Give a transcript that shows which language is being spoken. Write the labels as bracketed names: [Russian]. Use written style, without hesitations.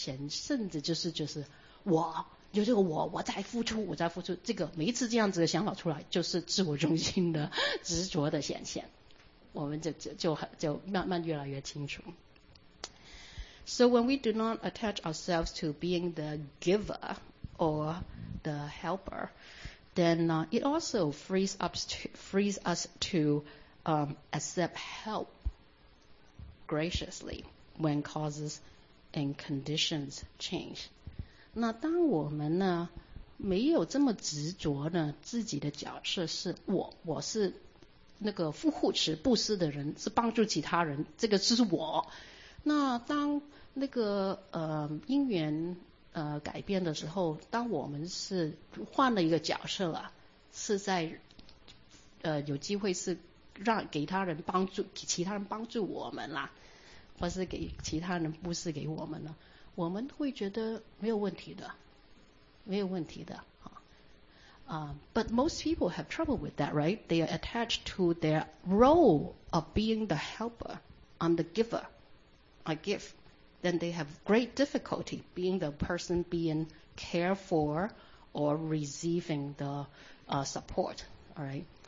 [Chinese] 圣的，就是我有这个我在付出，这个每一次这样子的想法出来，就是自我中心的执着的显现，我们就慢慢越来越清楚。 [English] So when we do not attach ourselves to being the giver or the helper, then it also frees us to accept help graciously. When causes and conditions change. [Chinese] 那当我们呢没有这么执着呢自己的角色是我是那个副护持布施的人，是帮助其他人，这个是我。那当那个因缘改变的时候，当我们是换了一个角色了，是在有机会是让给他人帮助，给其他人帮助我们啦。或是给其他人布施给我们呢，我们会觉得没有问题的，没有问题的 [English] But most people have trouble with that, right? They are attached to their role of being the helper. I'm the giver. I give. Then they have great difficulty being the person being cared for or receiving the support, all right?